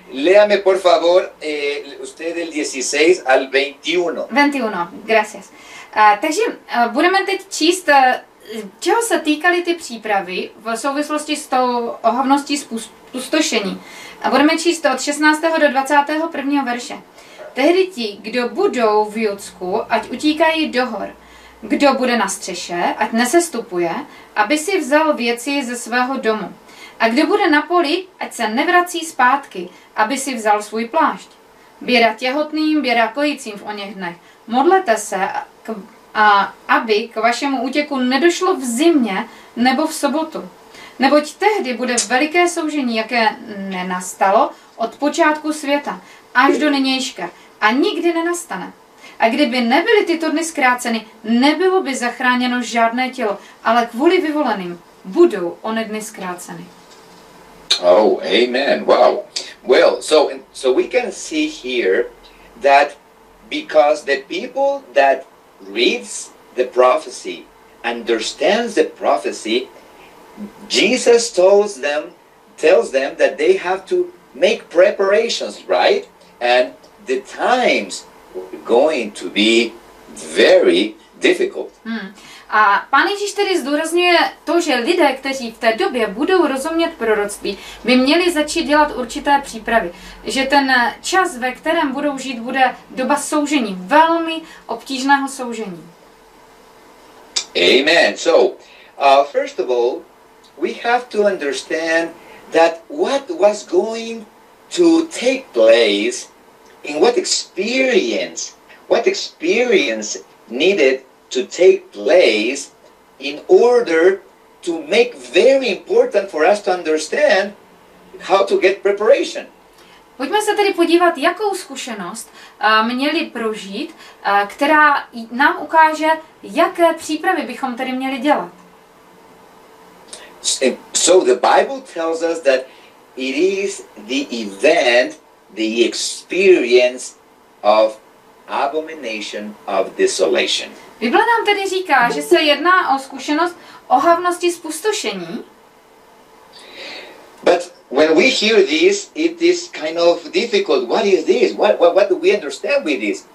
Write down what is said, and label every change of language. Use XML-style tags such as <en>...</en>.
<es>Léame por favor usted del 16 al 21. 21, gracias.</es> <cs>Takže budeme teď číst, čeho se týkaly ty přípravy v souvislosti s tou ohavností zpustošení. A budeme číst od 16. do 21. verše. Tehdy ti, kdo budou v Judsku, ať utíkají do hor. Kdo bude na střeše, ať nesestupuje, aby si vzal věci ze svého domu. A kdo bude na poli, ať se nevrací zpátky, aby si vzal svůj plášť. Běda těhotným, běda kojícím v oněch dnech. Modlete se, aby k vašemu útěku nedošlo v zimě nebo v sobotu. Neboť tehdy bude veliké soužení, jaké nenastalo od počátku světa až do nynějška, a nikdy nenastane. A kdyby nebyly tyto dny zkráceny, nebylo by zachráněno žádné tělo, ale kvůli vyvoleným budou one dny zkráceny.</cs> <en>Oh, amen. Wow. Well, so we can see here that because the people that reads the prophecy understands the prophecy, Jesus tells them that they have to make preparations, right? And the times going to be very difficult.</en> <cs>A Pán Ježíš tedy zdůrazňuje to, že lidé, kteří v té době budou rozumět proroctví, by měli začít dělat určité přípravy. Že ten čas, ve kterém budou žít, bude doba soužení, velmi obtížného soužení. Amen.</cs> <en>So, first of all, we have to understand that what was going to take place, in what experience needed to take place in order to make very important for us to understand how to get preparation.</en> <cs>Pojďme se tedy podívat, jakou zkušenost měli prožít, která nám ukáže, jaké přípravy bychom tedy měli dělat.</cs> <en>So the Bible tells us that it is the event, the experience of abomination of desolation.</en> <cs>Bible nám tedy říká, že se jedná o zkušenost ohavnosti zpustošení.</cs> <en>But when we hear this, it is kind of difficult. What is this? What do we understand with this?</en>